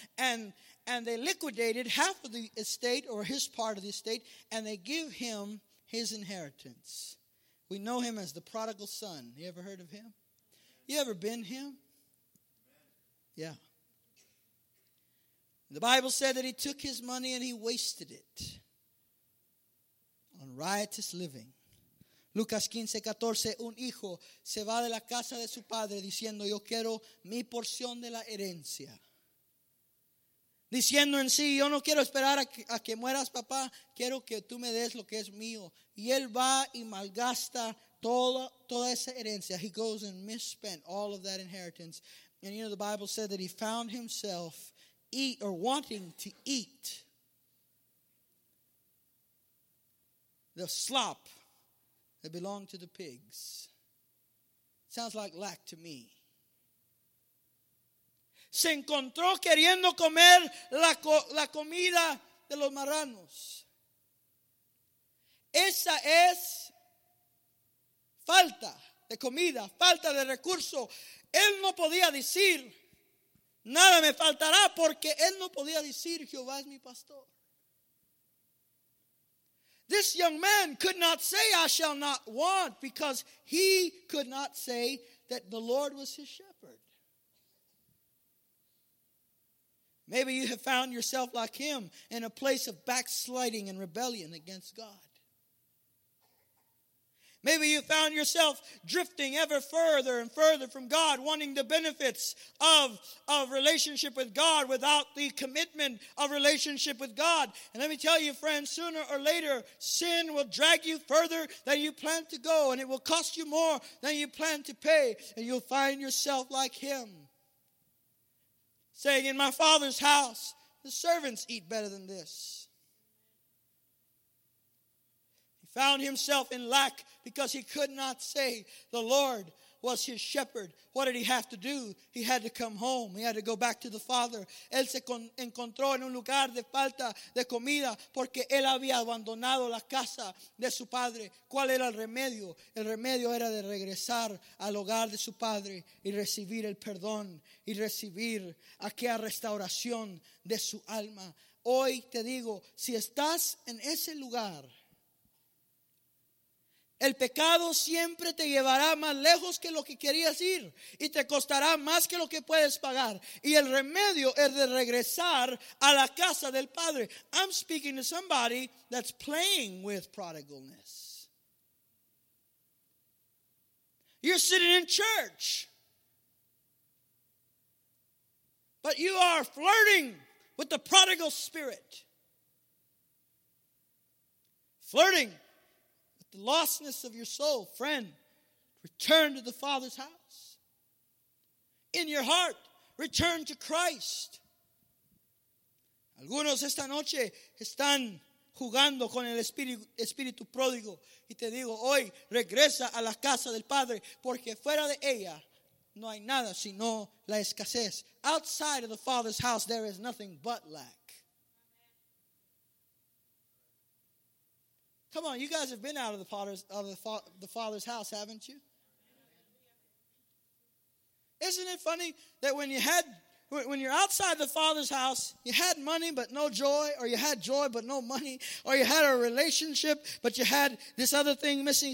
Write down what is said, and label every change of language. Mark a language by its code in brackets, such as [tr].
[en] And they liquidated half of the estate or his part of the estate, and they give him his inheritance. We know him as the prodigal son. You ever heard of him? You ever been him? Yeah. The Bible said that he took his money and he wasted it on riotous living. [es] Lucas 15:14, un hijo se va de la casa de su padre diciendo, yo quiero mi porción de la herencia. Diciendo en sí, yo no quiero esperar a que mueras, papá, quiero que tú me des lo que es mío. Y él va y malgasta toda esa herencia. [en] He goes and misspent all of that inheritance. And you know, the Bible said that he found himself eat or wanting to eat the slop that belonged to the pigs. Sounds like lack to me. [es] Se encontró queriendo comer la comida de los marranos. Esa es falta de comida, falta de recurso. Él no podía decir nada me faltará porque él no podía decir Jehová es mi pastor. [en] This young man could not say I shall not want because he could not say that the Lord was his shepherd. Maybe you have found yourself like him in a place of backsliding and rebellion against God. Maybe you found yourself drifting ever further and further from God, wanting the benefits of relationship with God without the commitment of relationship with God. And let me tell you, friends, sooner or later, sin will drag you further than you plan to go, and it will cost you more than you plan to pay, and you'll find yourself like him, saying, in my father's house, the servants eat better than this. Found himself in lack because he could not say the Lord was his shepherd. What did he have to do? He had to come home. He had to go back to the Father. [es] Él se encontró en un lugar de falta de comida porque él había abandonado la casa de su padre. ¿Cuál era el remedio? El remedio era de regresar al hogar de su padre y recibir el perdón y recibir aquella restauración de su alma. Hoy te digo, si estás en ese lugar, el pecado siempre te llevará más lejos que lo que querías ir y te costará más que lo que puedes pagar. Y el remedio es de regresar a la casa del Padre. [en] I'm speaking to somebody that's playing with prodigalness. You're sitting in church, but you are flirting with the prodigal spirit. Flirting. The lostness of your soul, friend, return to the Father's house. In your heart, return to Christ. [es] Algunos esta noche están jugando con el espíritu pródigo. Y te digo, hoy regresa a la casa del Padre, porque fuera de ella no hay nada sino la escasez. [en] Outside of the Father's house, there is nothing but lack. Come on, you guys have been out of the Father's house, haven't you? Isn't it funny that when you're outside the Father's house, you had money but no joy, or you had joy but no money, or you had a relationship but you had this other thing missing?